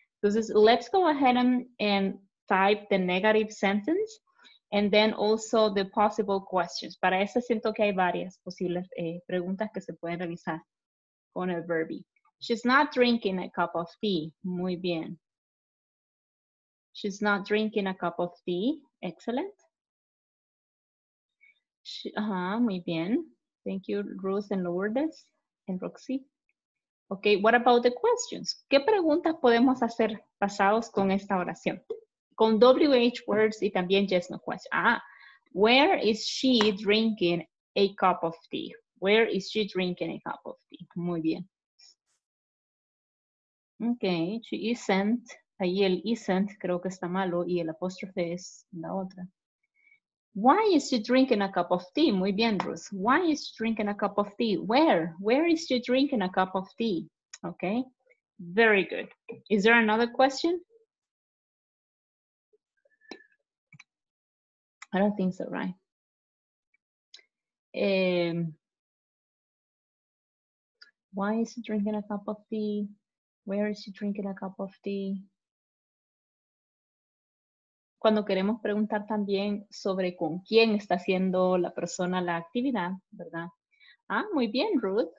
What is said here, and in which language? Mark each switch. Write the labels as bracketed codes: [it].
[es] Entonces, [en] let's go ahead and type the negative sentence and then also the possible questions. [es] Para eso siento que hay varias posibles preguntas que se pueden revisar con el verbi. [en] She's not drinking a cup of tea. [es] Muy bien. [en] She's not drinking a cup of tea. Excellent. [es] Muy bien. [en] Thank you, Ruth and Lourdes and Roxy. Okay, what about the questions? [es] ¿Qué preguntas podemos hacer basados con esta oración? Con WH words y también yes, no questions. [en] Where is she drinking a cup of tea? Where is she drinking a cup of tea? [es] Muy bien. [en] Okay, she isn't. [es] Ahí el isn't creo que está malo y el apóstrofe es la otra. [en] Why is she drinking a cup of tea? [es] Muy bien, [en] Bruce. Why is she drinking a cup of tea? Where? Where is she drinking a cup of tea? Okay, very good. Is there another question? I don't think so, right? Why is she drinking a cup of tea? Where is she drinking a cup of tea? [es] Cuando queremos preguntar también sobre con quién está haciendo la persona la actividad, ¿verdad? Muy bien, Ruth.